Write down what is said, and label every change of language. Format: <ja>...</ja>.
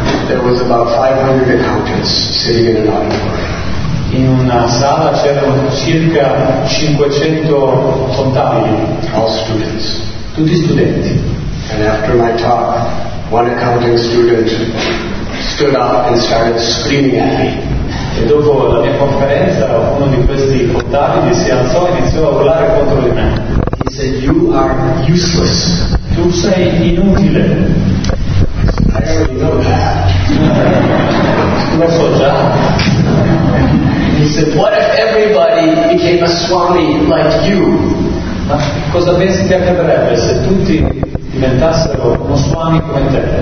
<en>There was about 500 accountants sitting in an auditorium.</en> <it>In una sala c'erano circa 500 contabili.</it> <en>All students.</en> <it>Tutti studenti.</it> <en>And after my talk, one accounting student stood up and started screaming at me.</en> <it>E dopo la mia conferenza uno di questi contabili si alzò e iniziò a urlare contro di me.</it> <en>He said, "You are useless."</en> <it>Tu sei inutile.</it> <en>I already know that.</en> <it>Lo so già.</it> <en>He said, "What if everybody became a swami like you?"</en> <it>Ma cosa pensi che accadrebbe se tutti diventassero uno swami come te?</it>